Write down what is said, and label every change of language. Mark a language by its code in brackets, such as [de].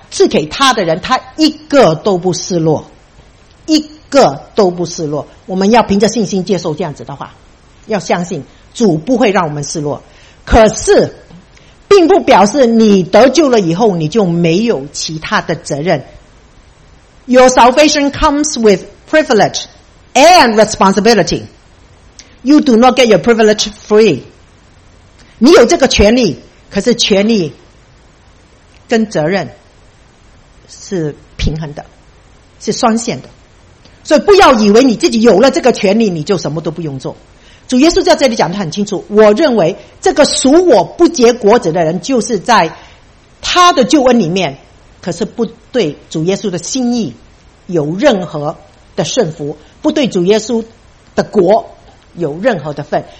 [zh] 赐给他的人，他一个都不失落，一个都不失落。我们要凭着信心接受这样子的话，要相信主不会让我们失落。可是并不表示你得救了以后你就没有其他的责任。 [en] Your salvation comes with privilege and responsibility. You do not get your privilege free. [zh] 你有这个权利，可是权利跟责任是平衡的，是双线的。所以不要以为你自己有了这个权利你就什么都不用做。主耶稣在这里讲得很清楚，我认为这个属我不结果子的人，就是在他的救恩里面，可是不对主耶稣的心意有任何的顺服，不对主耶稣的国有任何的份。